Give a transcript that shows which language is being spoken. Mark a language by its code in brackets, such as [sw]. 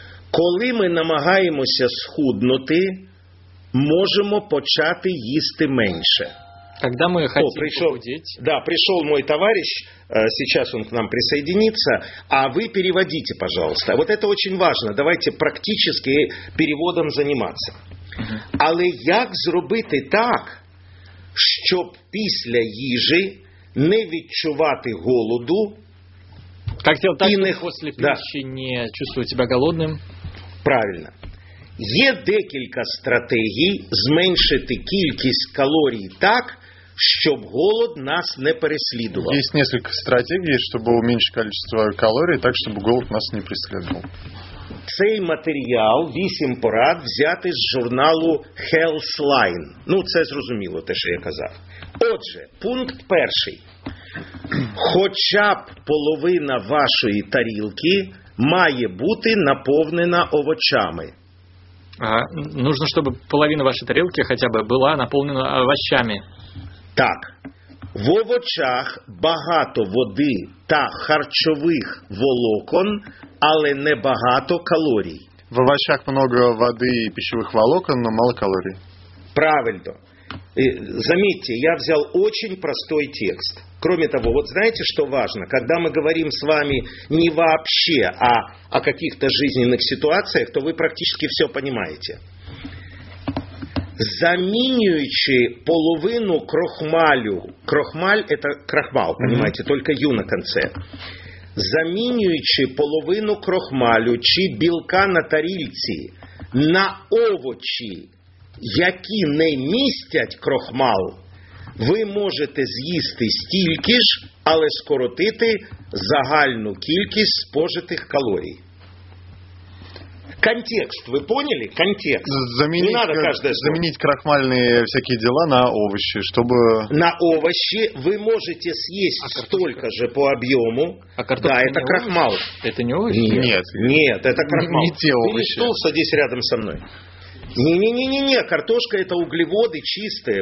[uk] Коли ми намагаємося схуднути, можемо почати їсти менше. [ru] Когда мы хотим похудеть. Да, пришел мой товарищ, сейчас он к нам присоединится, а вы переводите, пожалуйста. Вот это очень важно, давайте практически переводом заниматься. [uk] Але як зробити так, щоб після їжі не відчувати голоду. [ru] Как сделать так, чтобы после пищи не чувствовать себя голодным? Правильно. [uk] Є декілька стратегій зменшити кількість калорій так, щоб голод нас не переслідував. Є кілька стратегій, щоб уменьшити кількість калорій так, щоб голод нас не переслідував. Цей матеріал, 8 порад, взяти з журналу Healthline. Ну, це зрозуміло те, що я казав. Отже, пункт перший. Хоча б половина вашої тарілки має бути наповнена овочами. Ага, нужно, щоб половина вашої тарілки хоча б була наповнена овочами. Так. В овочах багато води та харчових волокон, але не багато калорій. В овочах багато води і [ru] пищевых волокон, но мало [uk] калорій. [ru] Правильно. Заметьте, я взял очень простой текст. Кроме того, вот знаете, что важно? Когда мы говорим с вами не вообще, а о каких-то жизненных ситуациях, то вы практически все понимаете. [uk] Замінюючи половину крохмалю, [ru] крохмаль – это крохмал, понимаете, только ю на конце. [uk] Замінюючи половину крохмалю чи білка на тарілці на овочі, які не містять крохмал, ви можете з'їсти стільки ж, але скоротити загальну кількість спожитих калорій. [ru] Контекст, вы поняли? Контекст. Заменить, не надо каждое слово. Заменить крахмальные всякие дела на овощи, чтобы... На овощи вы можете съесть столько же по объему. А картофель? Да, это крахмал. Овощи? Это не овощи? Нет. Нет, это крахмал. Не те овощи. Бери стул, садись рядом со мной. Не-не-не-не-не, картошка это углеводы чистые.